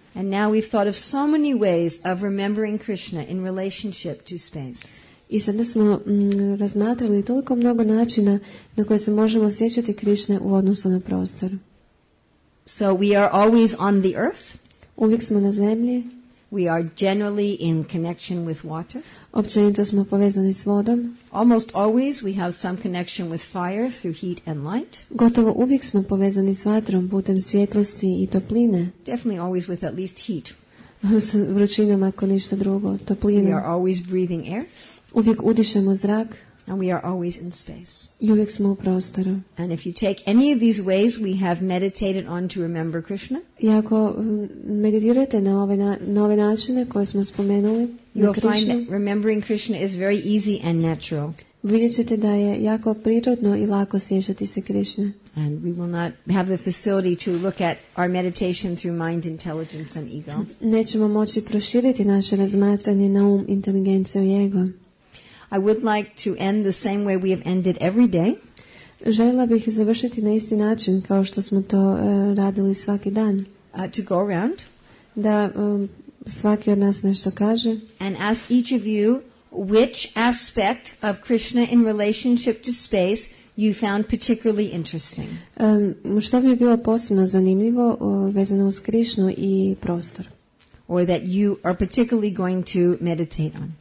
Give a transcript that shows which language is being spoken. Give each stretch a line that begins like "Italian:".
English: And now we've thought of so many ways of remembering Krishna in relationship to space.
Croatian: I sada smo razmatrali toliko mnogo načina na koje se možemo sjećati Krishne u odnosu na prostor.
English: So we are always on the earth.
Croatian: Uvijek smo na zemlji.
English: We are generally in connection with water.
Croatian: Općenito smo povezani s vodom.
English: Almost always we have some connection with fire through heat and light.
Croatian: Gotovo uvijek smo povezani s vatrom putem svjetlosti i topline.
English: Definitely always with at least heat.
Croatian: S vrućinom ako ništa drugo, toplinom.
English: We are always breathing air.
Croatian: Uvijek udišemo zrak.
English: And we are always in space.
Croatian: I uvijek smo u prostoru.
English: And if you take any of these ways we have meditated on to remember Krishna,
Croatian: i ako meditirate na ove nove načine koje smo spomenuli,
English: you'll find that remembering Krishna is very easy and natural.
Croatian: Vidjet ćete da je jako prirodno i lako sjećati se Krišne.
English: And we will not have the facility to look at our meditation through mind, intelligence and ego.
Croatian: Nećemo moći proširiti naše razmatranje na um, inteligenciju i ego.
English: I would like to end the same way we have ended every day.
Croatian: Želila bih završiti na isti način kao što smo to radili svaki dan.
English: To go around.
Croatian: Da svaki od nas nešto kaže.
English: And ask each of you which aspect of Krishna in relationship to space you found particularly interesting.
Croatian: Što bi bilo posebno zanimljivo vezano uz Krišnu i prostor.
English: Or that you are particularly going to meditate on.